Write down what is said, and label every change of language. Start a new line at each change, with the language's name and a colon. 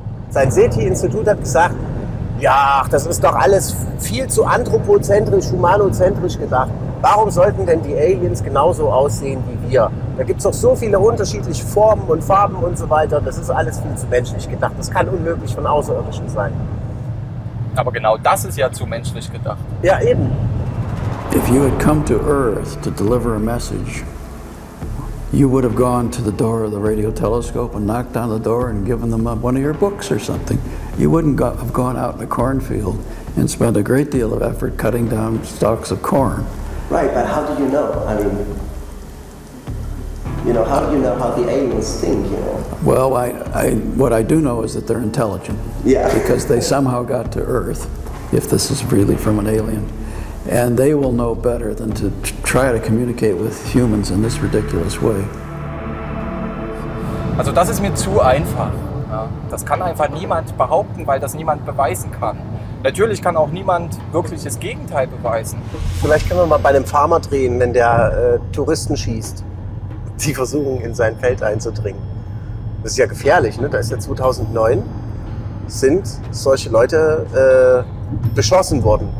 German: Sein SETI-Institut hat gesagt, ja, das ist doch alles viel zu anthropozentrisch, humanozentrisch gedacht. Warum sollten denn die Aliens genauso aussehen wie wir? Da gibt es doch so viele unterschiedliche Formen und Farben und so weiter. Das ist alles viel zu menschlich gedacht. Das kann unmöglich von Außerirdischen sein. Aber genau das ist ja zu menschlich gedacht. Ja, eben.
English: If you had come to Earth to deliver a message, you would have gone to the door of the radio telescope and knocked on the door and given them one of your books or something. You wouldn't have gone out in a cornfield and spent a great deal of effort cutting down stalks of corn. Right, but how do you know? I mean, you know, how do you know how the aliens think, you know? Well, I what I do know is that they're intelligent. Yeah. Because they somehow got to Earth, if this is really from an alien. And they will know better than to try to communicate with humans in this ridiculous way.
German: Also das ist mir zu einfach. Ja. Das kann einfach niemand behaupten, weil das niemand beweisen kann. Natürlich kann auch niemand wirklich das Gegenteil beweisen. Vielleicht können wir mal bei einem Farmer drehen, wenn der Touristen schießt. Sie versuchen, in sein Feld einzudringen. Das ist ja gefährlich, ne? Da ist ja 2009, sind solche Leute beschossen worden.